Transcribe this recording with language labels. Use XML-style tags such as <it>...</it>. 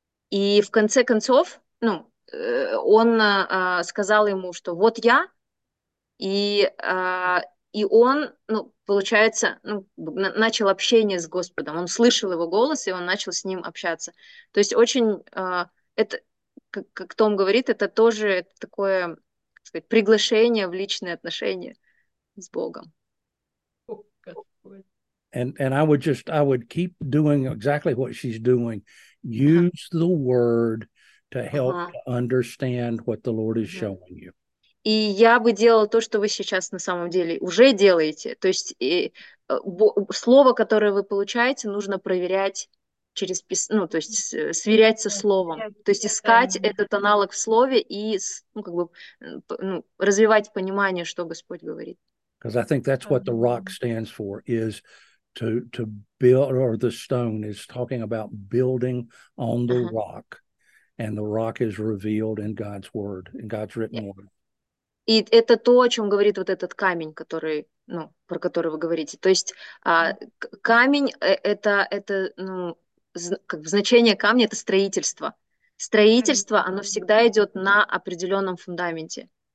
<ru>И в конце концов, ну, он сказал ему, что вот я, и он, ну, получается, ну, начал общение с Господом, он слышал его голос, и он начал с ним общаться. То есть очень, это, как Том говорит, это тоже такое, так сказать, приглашение в личные отношения с Богом.</ru> <en>And I would keep doing exactly what she's doing. Use the word to help understand what the Lord is showing you.</en> <ru>И я бы делала то, что вы сейчас на самом деле уже делаете. То есть и, слово, которое вы получаете, нужно проверять через ну, то есть сверять со словом. То есть искать этот аналог в слове и, ну, как бы, ну, развивать понимание, что Господь говорит.</ru> <en>Because I think that's what the rock stands for, is to build, or the stone is talking about building on the rock. And the rock is revealed in God's word, in God's written word.</en> <ru>И это то, о чем говорит вот этот камень, который, ну, про который вы говорите. То есть камень – это ну, как бы значение камня – это строительство. Строительство, оно всегда идет на определенном фундаменте.</ru>